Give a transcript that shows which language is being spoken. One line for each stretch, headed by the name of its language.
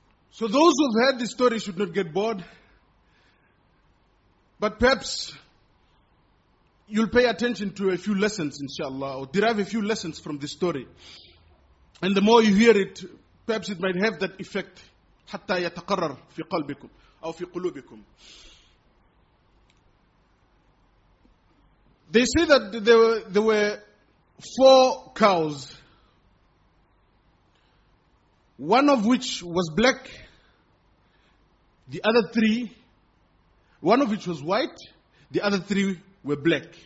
English: So those who have heard this story should not get bored, but perhaps you'll pay attention to a few lessons, inshallah, or derive a few lessons from this story. And the more you hear it, perhaps it might have that effect.
Arabic: حتى يتقرر في قلبكم أو في قلوبكم.
English: They say that there were four cows, one of which was black, the other three, one of which was white, the other three were black.